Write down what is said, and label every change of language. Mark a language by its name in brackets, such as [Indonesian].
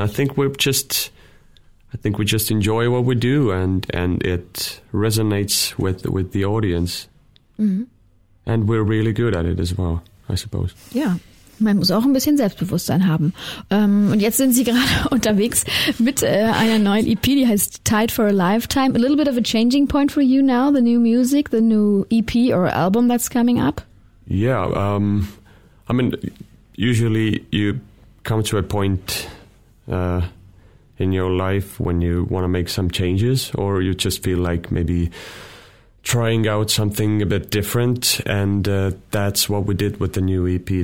[English] I think we just enjoy what we do, and it resonates with the audience. Mm-hmm. And we're really good at it as well, I suppose. Yeah. [German] Man muss auch ein bisschen Selbstbewusstsein haben. Und jetzt sind sie gerade unterwegs mit einer neuen EP, die heißt Tied for a Lifetime. [English] A little bit of a changing point for you now, the new music, the new EP or album that's coming up? Yeah, I mean, usually you come to a point in your life when you want to make some changes or you just feel like maybe trying out something a bit different, and that's what we did with the new EP.